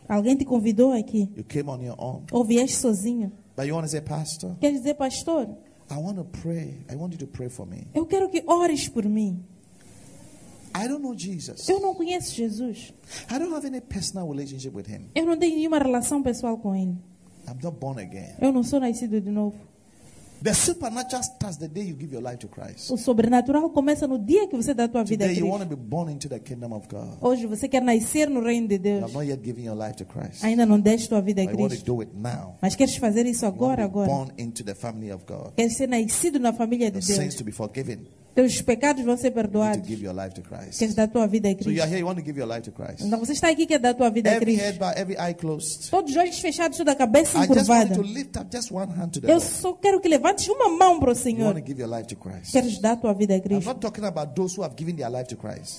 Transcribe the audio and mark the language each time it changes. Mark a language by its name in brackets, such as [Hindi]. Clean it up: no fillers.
[Portuguese] Alguém te convidou aqui. [English] You came on your own. [Portuguese] Ou vieste sozinho. [English] But you want to say pastor? [Portuguese] Quer dizer pastor? [English] I want to pray. I want you to pray for me. [Portuguese] Eu quero que ores por mim. [English] I don't know Jesus. [Portuguese] Eu não conheço Jesus. [English] I don't have any personal relationship with him. [Portuguese] Eu não tenho nenhuma relação pessoal com ele. [English] I'm not born again. [Portuguese] Eu não sou nascido de novo. [English] The supernatural starts the day you give your life to Christ. [Portuguese] O sobrenatural começa no dia que você dá a tua vida a Cristo. [English] You want to be born into the kingdom of God. [Portuguese] Hoje você quer nascer no reino de Deus. [English] You have not yet given your life to Christ. [Portuguese] Ainda não deste tua vida a Cristo. [English] You want to do it now. [Portuguese] Mas queres fazer isso agora, agora. [English] Born into the family of God. [Portuguese] Quer ser nascido na família de Deus. [English] Your sins to be forgiven. [Portuguese] Teus pecados vão ser perdoados. [English] You to give your life to Christ. [Portuguese] Queres dar tua vida a Cristo. [English] So you are here, you want to give your life to Christ. [Portuguese] Então você está aqui quer dar tua vida [English] every [Portuguese] a Cristo. [English] Head bowed, every eye closed. [Portuguese] Todos os olhos fechados, toda a cabeça encurvada. [English] I just want you to lift up just one hand to the [Portuguese] Eu só quero que levantes uma mão para o Senhor. [English] You want to give your life to Christ. [Portuguese] Queres dar tua vida a Cristo. [English] I'm not talking about those who have given their life to Christ.